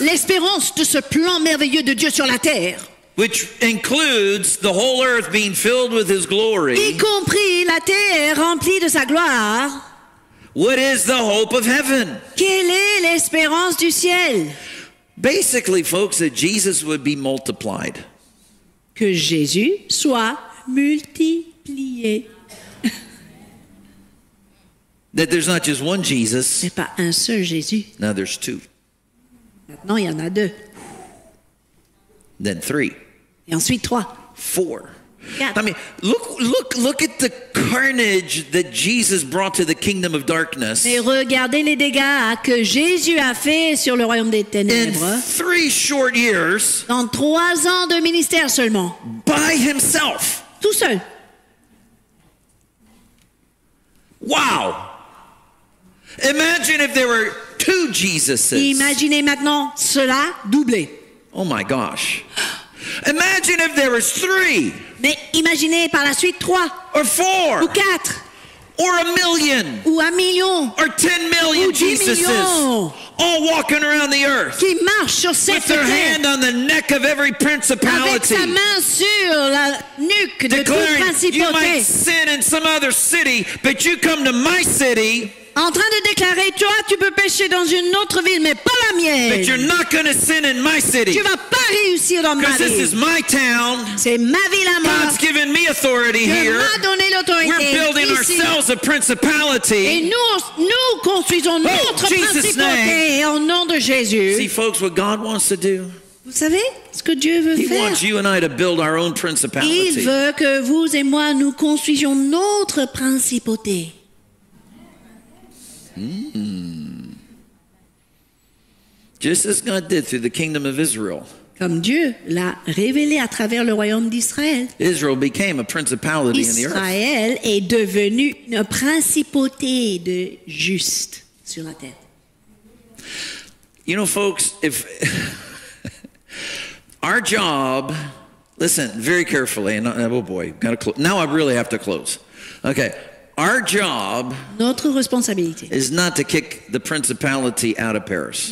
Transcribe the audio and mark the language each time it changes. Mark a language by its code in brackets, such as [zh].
[fr] L'espérance de ce plan merveilleux de Dieu sur la terre. [en] Which includes the whole earth being filled with his glory. [fr] Y compris la terre remplie de sa gloire. [en] What is the hope of heaven? [fr] Quelle est l'espérance du ciel? [en] Basically, folks, that Jesus would be multiplied. [fr] Que Jésus soit multiplié. [en] That there's not just one Jesus. [fr] C'est pas un seul Jésus. [en] Now there's two. [fr] Maintenant, il y en a deux. [en] Then three. [fr] Et ensuite trois. [en] Four. [fr] Quatre. [en] I mean, look at the carnage that Jesus brought to the kingdom of darkness. [fr] Mais regardez les dégâts que Jésus a fait sur le royaume des ténèbres. [en] In three short years. [fr] Dans trois ans de ministère seulement. [en] By himself. [fr] Tout seul. [en] Wow. Imagine if there were two Jesuses. [fr] Imaginez maintenant cela doublé. [en] Oh my gosh. Imagine if there was three. [fr] Mais imaginez par la suite trois. [en] Or four. [fr] Ou quatre. [en] Or a million. [fr] Ou un million. [en] Or 10 million [fr] ou 10 [en] Jesuses. [fr] Millions. [en] All walking around the earth. [fr] Qui marchent sur cette [en] with their [fr] terre. [en] Hand on the neck of every principality. [fr] Avec sa main sur la nuque de toute principauté. [en] You might sin in some other city, but you come to my city. [fr] En train de déclarer, toi, tu peux pécher dans une autre ville, mais pas la mienne. [en] But you're not gonna sin in my city. [fr] Tu vas pas réussir dans ma ville. [en] This is my town. [fr] C'est ma ville à moi. [en] God's given me authority [fr] Dieu [en] here. [fr] M'a donné l'autorité. [en] We're building [fr] ici. [en] Ourselves a principality. [fr] Et nous construisons notre principauté en nom de Jésus. [en] See, folks, what God wants to do. [fr] Vous savez ce que Dieu veut [en] He [fr] faire? [en] Wants you and I to build our own principality. [fr] Il veut que vous et moi nous construisions notre principauté. [en] Just as God did through the kingdom of Israel. [fr] Comme Dieu l'a révélé à travers le royaume d'Israël. [en] Israel became a principality [fr] Israël Israël est devenu une principauté de juste sur la terre. [en] You know, folks, if our job, listen very carefully, and oh boy, gotta close. Now I really have to close. Okay. Our job [fr] notre responsabilité [en] is not to kick the principality out of Paris.